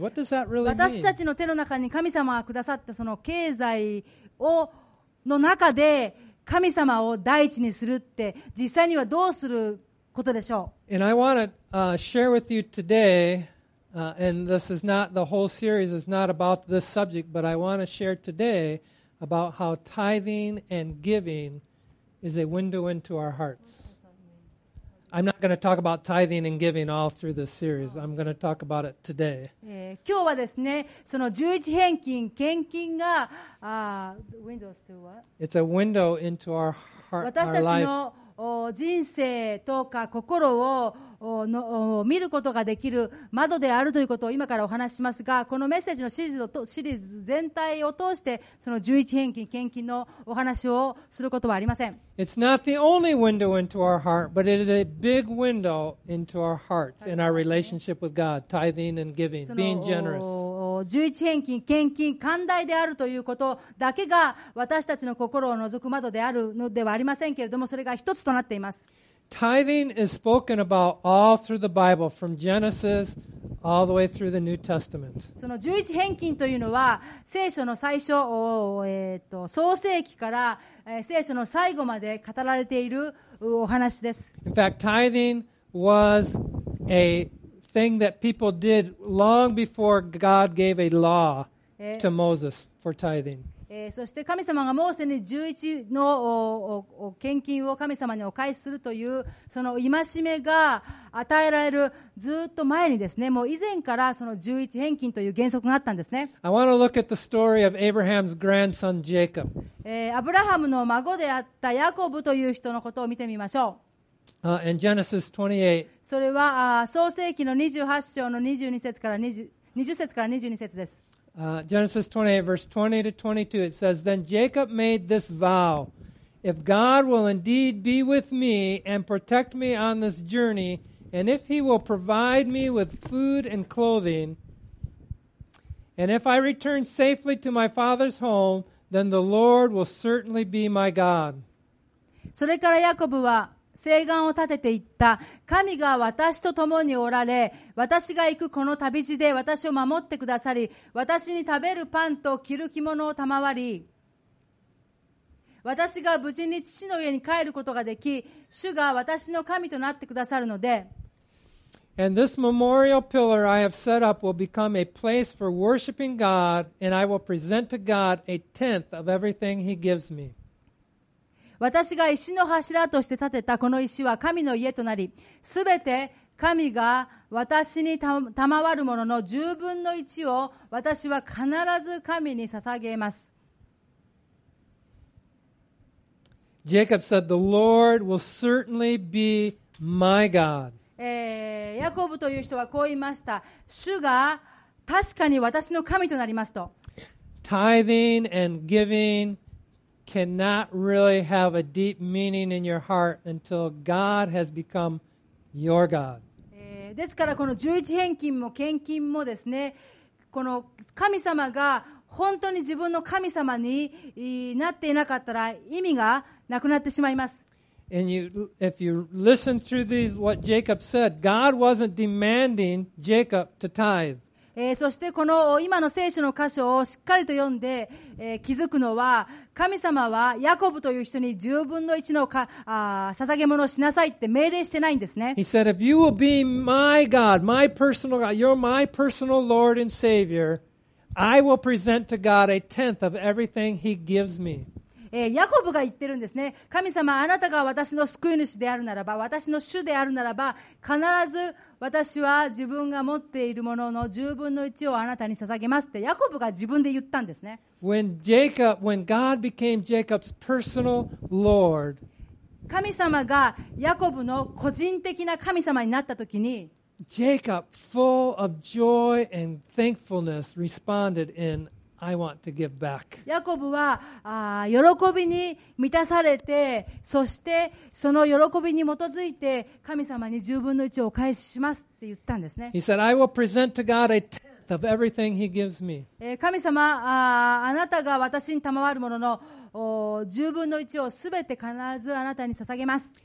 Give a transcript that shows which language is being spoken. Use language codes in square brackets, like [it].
[en] What does that really mean? [ja] 私たちの手の中に神様がくださったその経済をの中で神様を第一にするって実際にはどうすることでしょう? [en] And I want to share with you today, and this is not the whole series is not about this subject, but I want to share today about how tithing and giving. Is a window into our hearts. I'm not going to talk about tithing and giving all through this series. I'm going to talk about it today. [ja] 今日はですね、その十一返金、献金が [en] windows to what? It's a window into our heart. [ja] 私たちの人生とか心を見ることができる窓であるということを今からお話しますが、このメッセージのシリーズ全体を通してその十一返金献金のお話をすることはありません。 [en] It's not the only window into our heart, but it is a big window into our heart and our relationship with God, tithing and giving, being generous. [ja] 十一返金献金寛大であるということだけが私たちの心を覗く窓であるのではありませんけれども、それが一つとなっています。 [en] Tithing is spoken about all through the Bible, from Genesis all the way through the New Testament. [ja] その十一返金というのは聖書の最初、創世記から聖書の最後まで語られているお話です。 [en] In fact, tithing was a thing that people did long before God gave a law to Moses for tithing. [ja] そして神様がモーセに11の献金を神様にお返しするというその戒めが与えられるずっと前にですね、もう以前からその11返金という原則があったんですね。 [en] I want to look at the story of Abraham's grandson Jacob. [ja] アブラハムの孫であったヤコブという人のことを見てみましょう。 [en] In Genesis 28. [ja] それは創世記の28章の20節から22節です。 [en] Genesis 28 verse 20 to 22 it says, Then Jacob made this vow, If God will indeed be with me and protect me on this journey, and if he will provide me with food and clothing, and if I return safely to my father's home, then the Lord will certainly be my God. [ja] それからヤコブは誓願を立てていった。神が私と共におられ、私が行くこの旅路で私を守ってくださり、私に食べるパンと着る着物を賜り、私が無事に父の家に帰ることができ、主が私の神となってくださるので。 [en] And this memorial pillar I have set up will become a place for worshiping God, and I will present to God a tenth of everything he gives me. [ja] 私が石の柱として建てたこの石は神の家となり、すべて神が私に賜るものの十分の一を私は必ず神に捧げます。 [en] Jacob said, The Lord will certainly be my God. [ja] ヤコブという人はこう言いました。主が確かに私の神となりますと。 [en] Tithing and givingCannot really have a deep meaning in your heart until God has become your God. [ja] ですからこの十一返金も献金もですね、この神様が本当に自分の神様になっていなかったら意味がなくなってしまいます。 [en] And you, if you listen through these, what Jacob said, God wasn't demanding Jacob to tithe. [ja] そしてこの今の聖書の箇所をしっかりと読んで、気づくのは神様はヤコブという人に十分の一のか捧げ物をしなさいって命令してないんですね。 [en] He said, If you will be my God, my personal God, you're my personal Lord and Savior, I will present to God a tenth of everything He gives me. [ja] ヤコブが言ってるんですね。神様、あなたが私の救い主であるならば、私の主であるならば、必ず私は自分が持っているものの十分の一をあなたに捧げますってヤコブが自分で言ったんですね。 [en] When God became Jacob's personal Lord, [ja] 神様がヤコブの個人的な神様になったときに、 [en] Jacob, full of joy and thankfulness, responded in. I want to give back. [ja] ヤコブは喜びに満たされて、そしてその喜びに基づいて神様に十分の一をお返ししますって言ったんですね。 [en] He said, I will present to God a tenth of everything He gives me. [ja] 神様、あなたが私に賜るものの十分の一をすべて必ずあなたに捧げます。